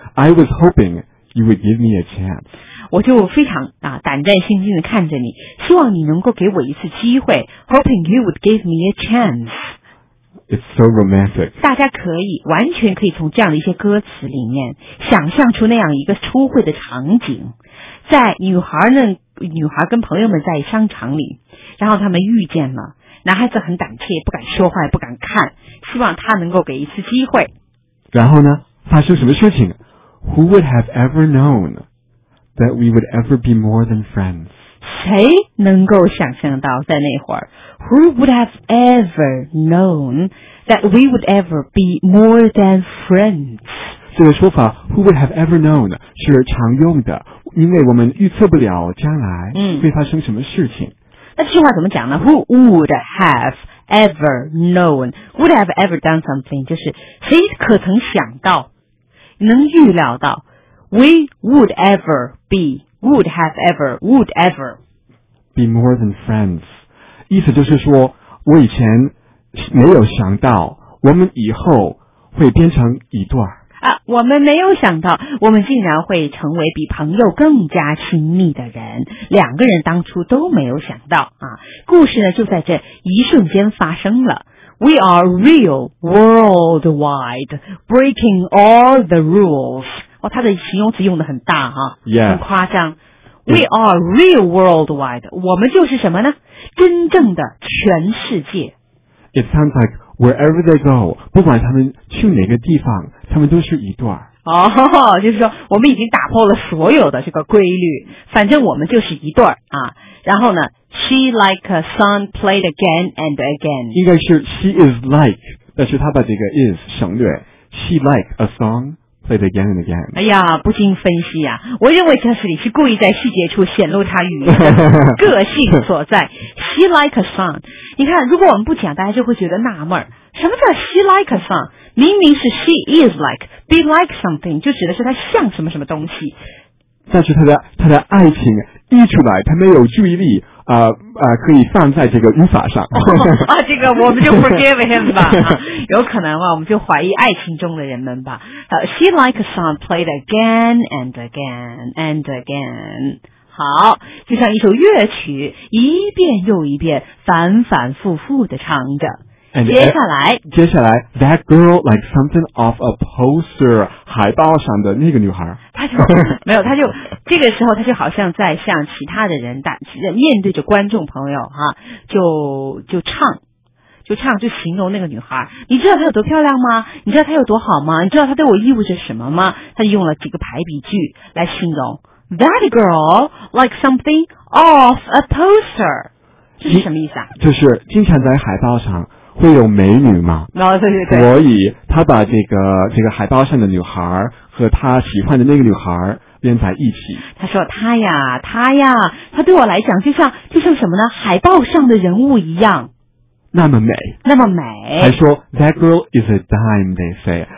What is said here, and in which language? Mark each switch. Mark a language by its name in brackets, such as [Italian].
[English] I was hoping you would give me a chance. [Chinese] 我就非常啊胆战心惊的看着你，希望你能够给我一次机会。 [English] Hoping you would give me a chance. It's so romantic. [Chinese] 大家可以完全可以从这样的一些歌词里面想象出那样一个初会的场景。在女孩跟朋友们在商场里，然后他们遇见了，男孩子很胆怯，不敢说话，不敢看，希望他能够给一次机会。然后呢，发生什么事情 [English] ？Who would have ever known that we would ever be more than friends？ [Chinese] 谁能够想象到在那会儿 ？ [English] Who would have ever known that we would ever be more than friends. [Chinese] 这个说法 [English] who would have ever known [Chinese] 是常用的，因为我们预测不了将来会发生什么事情。那这句话怎么讲呢？ [English] Who would have ever known? Would have ever done something? [Chinese] 就是谁可曾想到，能预料到。 [English] We would ever be, would have ever, would ever be more than friends. [Chinese] 意思就是说，我以前没有想到，我们以后会变成一段。啊，我们没有想到，我们竟然会成为比朋友更加亲密的人。两个人当初都没有想到啊，故事呢就在这一瞬间发生了。 [English] We are real worldwide, breaking all the rules。 [Chinese] 哦，他的形容词用的很大哈、啊， [English] yeah. [Chinese] 很夸张。 [English] We are real worldwide， [Chinese] 我们就是什么呢？真正的全世界。 It sounds like wherever they go，不管他们去哪个地方，他们都是一段。哦、oh, ，就是说我们已经打破了所有的这个规律，反正我们就是一段啊。然后呢 [English] ，She like a song played again and again。 [Chinese] 应该是 She is like， 但是他把这个 is 省略。 [English] She like a song played again and again。 [Chinese] 哎呀，不经分析啊，我认为这里是故意在细节处显露他语言的个性所在。 [English] She like a song。 [Chinese] 你看，如果我们不讲，大家就会觉得纳闷，什么叫 [English] she like a song？ [Chinese] 明明是 [English] she is like be like something， [Chinese] 就指的是她像什么什么东西。但是她的爱情溢出来，她没有注意力可以放在这个语法上。哦、啊，这个我们就 [English] forgive him [Chinese] 吧，啊、有可能吧，我们就怀疑爱情中的人们吧。 [English] She like a song played again and again and again。 [Chinese] 好，就像一首乐曲一遍又一遍反反复复的唱着。接下来 [English] That girl like something off a poster， [Chinese] 海报上的那个女孩，她就没有，她就这个时候她就好像在向其他的人面对着观众朋友哈、啊，就唱就形容那个女孩。你知道她有多漂亮吗？你知道她有多好吗？你知道她对我意味着什么吗？她就用了几个排比句来形容 [English] That girl like something off a poster， [Chinese] 这是什么意思啊？就是经常在海报上会有美女嘛。哦、oh, ，对对对。所以他把这个海报上的女孩和他喜欢的那个女孩连在一起。他说她呀，她对我来讲就像什么呢？海报上的人物一样。那么美，那么美。 [English] 还说 That girl is a dime， they say